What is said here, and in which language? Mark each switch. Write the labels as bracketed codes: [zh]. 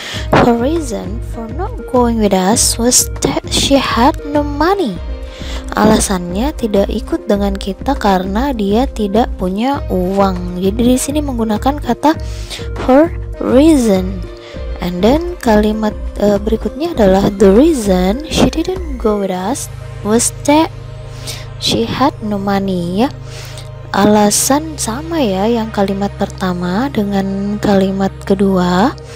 [en] Her reason for not going with us was that she had no money. [id] alasannya tidak ikut dengan kita karena dia tidak punya uang. Jadi di sini menggunakan kata her reason. [en] And then [id] kalimat berikutnya adalah [en] the reason she didn't go with us was that she had no money, ya. [id] Alasan sama ya yang kalimat pertama dengan kalimat kedua.